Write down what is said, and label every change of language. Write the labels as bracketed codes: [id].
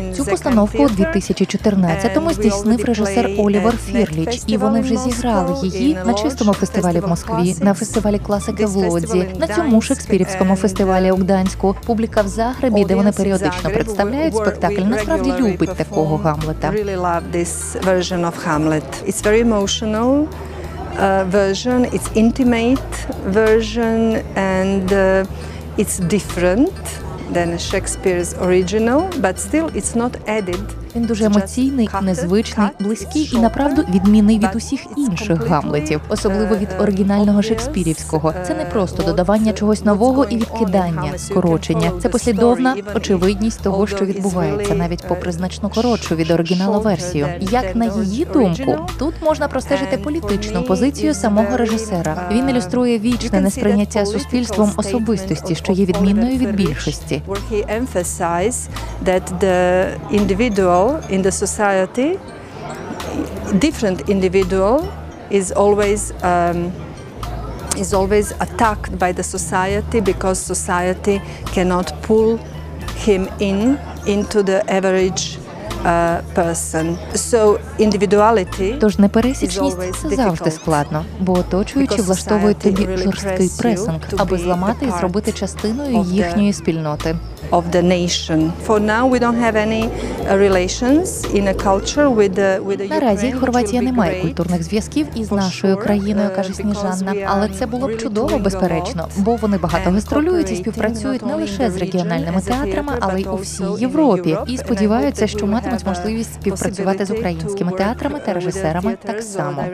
[uk] Цю постановку у 2014-му здійснив режисер Олівер Фірліч, і вони вже зіграли її на чистому фестивалі в Москві, на фестивалі класики в Лодзі, на цьому шекспірівському фестивалі у Гданську. Публіка в Загребі, де вони періодично представляють спектакль, насправді любить такого Гамлета. [en] It's very emotional. Version, it's intimate version, and it's different than Shakespeare's original, but still it's not added. [uk] Він дуже емоційний, незвичний, близький і, направду, відмінний від усіх інших гамлетів. Особливо від оригінального шекспірівського. Це не просто додавання чогось нового і відкидання, скорочення. Це послідовна очевидність того, що відбувається, навіть попри значно коротшу від оригіналу версію. Як на її думку, тут можна простежити політичну позицію самого режисера. Він ілюструє вічне несприйняття суспільством особистості, що є відмінною від більшості. [en] In the society, different individual is always attacked by the society because society cannot pull him into the average person. So individuality. [uk] Тож непересічність – це завжди складно, бо оточуючі влаштовують тобі жорсткий пресинг, аби зламати і зробити частиною їхньої спільноти. [en] Of the nation. For now we don't have any relations in a culture with the [uk] Наразі Хорватія не має культурних зв'язків із нашою країною, каже Сніжанна. Але це було б чудово, безперечно, бо вони багато гастролюють і співпрацюють не лише з регіональними театрами, але й у всій Європі. І сподіваються, що матимуть можливість співпрацювати з українськими театрами та режисерами так само.